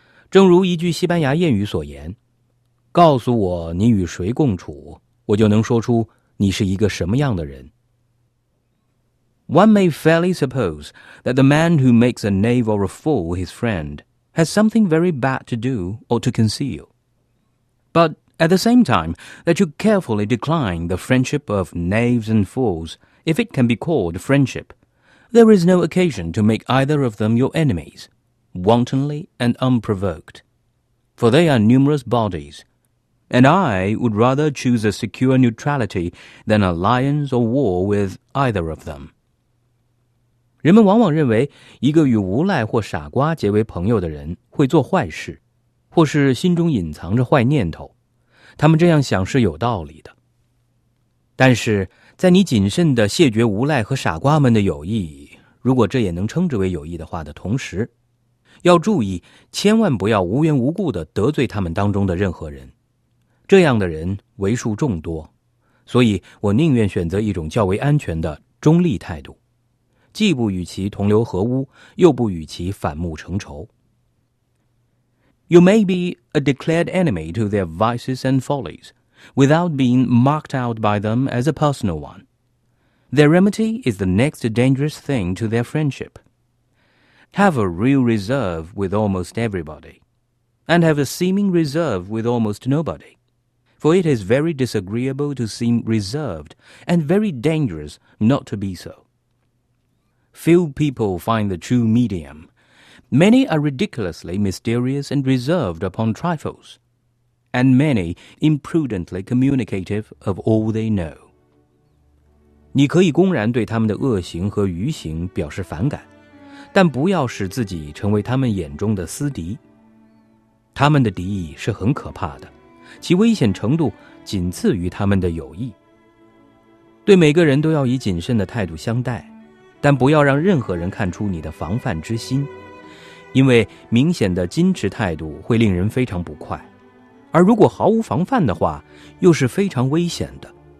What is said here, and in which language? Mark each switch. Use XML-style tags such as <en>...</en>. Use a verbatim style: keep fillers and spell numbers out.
<zh>正如一句西班牙谚语所言，告诉我你与谁共处，我就能说出你是一个什么样的人。</zh> <en>One may fairly suppose that the man who makes a knave or a fool his friend has something very bad to do or to conceal. But,At the same time, that you carefully decline the friendship of knaves and fools, if it can be called friendship, there is no occasion to make either of them your enemies, wantonly and unprovoked. For they are numerous bodies, and I would rather choose a secure neutrality than alliance or war with either of them.</en> <zh>人们往往认为，一个与无赖或傻瓜结为朋友的人会做坏事，或是心中隐藏着坏念头。他们这样想是有道理的，但是在你谨慎地谢绝无赖和傻瓜们的友谊，如果这也能称之为友谊的话的同时，要注意千万不要无缘无故地得罪他们当中的任何人，这样的人为数众多，所以我宁愿选择一种较为安全的中立态度，既不与其同流合污，又不与其反目成仇。</zh> <en>You may be a declared enemy to their vices and follies, without being marked out by them as a personal one. Their remedy is the next dangerous thing to their friendship. Have a real reserve with almost everybody, and have a seeming reserve with almost nobody, for it is very disagreeable to seem reserved, and very dangerous not to be so. Few people find the true medium. Many are ridiculously mysterious and reserved upon trifles, and many imprudently communicative of all they know.</en> <zh>你可以公然对他们的恶行和愚行表示反感，但不要使自己成为他们眼中的私敌。他们的敌意是很可怕的，其危险程度仅次于他们的友谊。对每个人都要以谨慎的态度相待，但不要让任何人看出你的防范之心，因为明显的矜持态度会令人非常不快，而如果毫无防范的话，又是非常危险的。</zh>